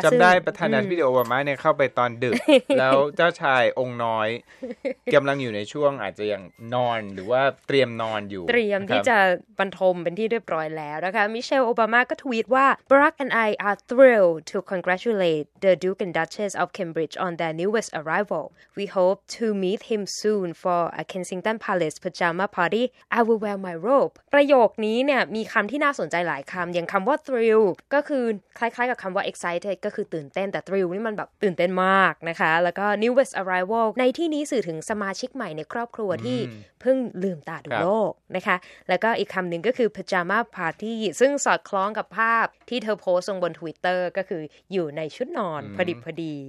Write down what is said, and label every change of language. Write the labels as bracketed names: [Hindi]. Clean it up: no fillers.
[Thai] จำได้ประธานาธิบดีโอบามาเนี่ยเข้าไปตอนดึก แล้วเจ้าชายองค์น้อย กำลังอยู่ในช่วงอาจจะยังนอนหรือว่าเตรียมนอนอยู่ เตรียมที่จะบรรทมเป็นที่เรียบร้อยแล้วนะคะมิเชลโอบามาก็ทวีตว่า [English] Barack and I are thrilled to congratulate the Duke and Duchess of Cambridge on their newest arrival. We hope to meet him soon for a Kensington Palace pajama party. I will wear my robe. [Thai] ประโยคนี้เนี่ยมีคำที่น่าสนใจหลายคำอย่างคำว่า thrilledก็คือคล้ายๆกับคำว่า excited ก็คือตื่นเต้นแต่ thrill นี่มันแบบตื่นเต้นมากนะคะแล้วก็ [English] newest arrival [Thai] ในที่นี้สื่อถึงสมาชิกใหม่ในครอบครัวที่เพิ่งลืมตาดูโลกนะคะแล้วก็อีกคำหนึ่งก็คือ [English] pajama party [Thai] ซึ่งสอดคล้องกับภาพที่เธอโพสต์ลงบน Twitter ก็คืออยู่ในชุดนอนพอดิบพอดี